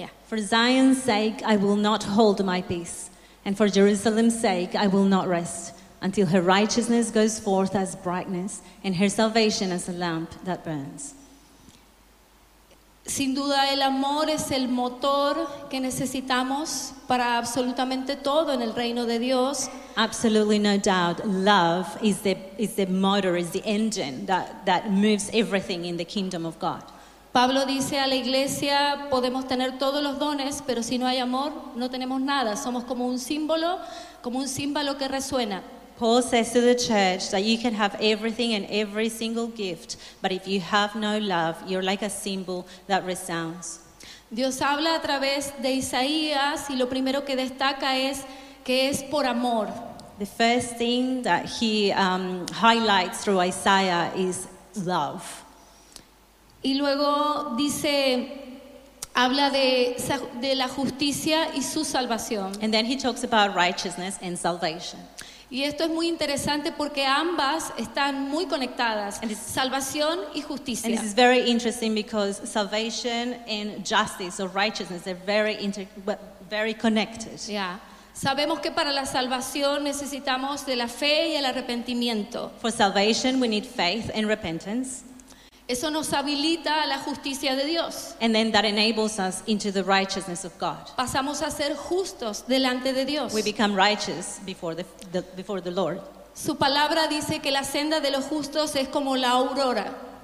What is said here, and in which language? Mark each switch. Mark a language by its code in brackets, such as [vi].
[en] For Zion's sake, I will not hold my peace, and for Jerusalem's sake, I will not rest until her righteousness goes forth as brightness and her salvation as a lamp that burns. [es] Sin duda el amor es el motor que necesitamos para absolutamente todo en el reino de Dios. [en] Absolutely no doubt, love is the motor, is the engine that moves everything in the kingdom of God. [es] Pablo dice a la iglesia, podemos tener todos los dones, pero si no hay amor, no tenemos nada. Somos como un símbolo que resuena. [en] Paul says to the church that you can have everything and every single gift, but if you have no love, you're like a cymbal that resounds. [es] Dios habla a través de Isaías y lo primero que destaca es que es por amor. [en] The first thing that he highlights through Isaiah is love. [es] Y luego dice, habla de la justicia y su salvación. [en] And then he talks about righteousness and salvation. [es] Y esto es muy interesante porque ambas están muy conectadas, salvación y justicia. [en] And this is very interesting because salvation and justice or righteousness, they're very connected. Yeah. [es] Sabemos que para la salvación necesitamos de la fe y el arrepentimiento. [en] For salvation we need faith and repentance. [es] Eso nos habilita a la justicia de Dios. [en] And then that enables us into the righteousness of God. [es] Pasamos a ser justos delante de Dios. [en] We become righteous before the Lord. [es] Su palabra dice que la senda de los justos es como la aurora.